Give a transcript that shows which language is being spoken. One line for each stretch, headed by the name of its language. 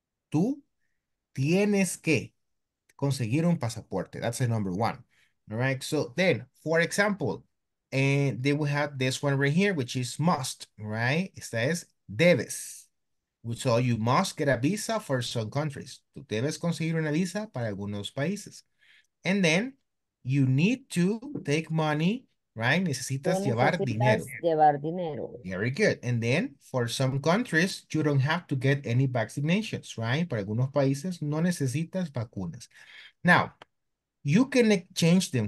Spanish: Tú tienes que conseguir un pasaporte.
English: That's the number one, all right? So then, for example, and then we have this one right here, which is must, right? It says debes. So you must get a visa for some countries.
Spanish: Tú debes conseguir una visa para algunos países.
English: And then you need to take money, right?
Spanish: Necesitas llevar dinero.
English: Very good. And then for some countries, you don't have to get any vaccinations, right?
Spanish: Para algunos países no necesitas vacunas.
English: Now, you can change them.